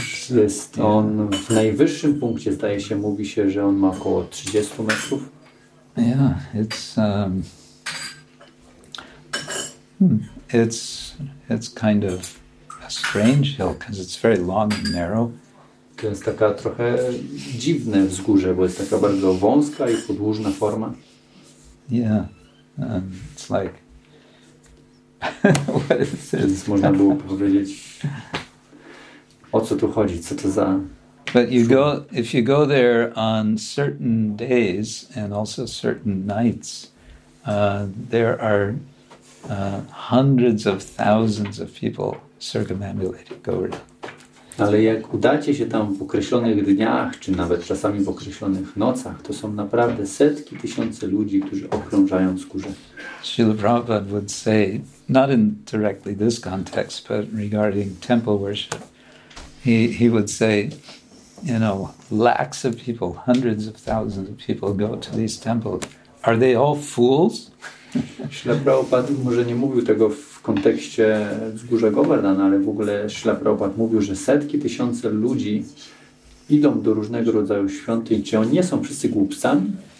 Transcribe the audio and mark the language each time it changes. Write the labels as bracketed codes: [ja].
[pl] Jest on w najwyższym punkcie, zdaje się, mówi się, że on ma około 30 metrów. [en] Yeah, it's kind of a strange hill, because it's very long and narrow. [pl] To jest taka trochę dziwne wzgórze, bo jest taka bardzo wąska i podłużna forma. [en] Yeah, it's like... What is it? [pl] Więc można było powiedzieć, o co tu chodzi, co to za... [en] But you go, if you go there on certain days and also certain nights, there are hundreds of thousands of people circumambulating Govardhan. [pl] Ale jak udacie się tam w określonych dniach, czy nawet czasami w określonych nocach, to są naprawdę setki tysięcy ludzi, którzy okrążają wzgórze. [en] Srila Prabhupada would say, not in directly this context, but regarding temple worship, he would say, you know, lakhs of people, hundreds of thousands of people go to these temples. Are they all fools? [pl] Srila Prabhupada może nie mówił tego w kontekście wzgórza Govardhan, ale w ogóle Srila Prabhupada mówił, że setki tysiące ludzi idą do różnego rodzaju świątyń. Czy oni nie są wszyscy głupcami?